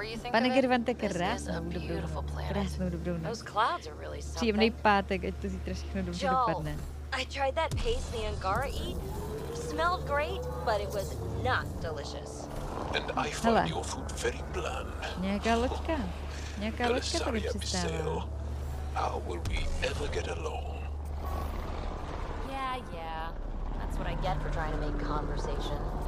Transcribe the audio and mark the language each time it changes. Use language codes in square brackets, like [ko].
[cs] Pane Gervante, krásnou dobrou noc. Příjemný pátek, ať to zítra všechno dobře dopadne. [en] I tried that paste the Angara eat. Smelled great, but it was not delicious. And I found your food very bland. [cs] Nějaká loďka tady přistává. [en] How will we ever get along? Yeah. That's what I get for trying to make conversation.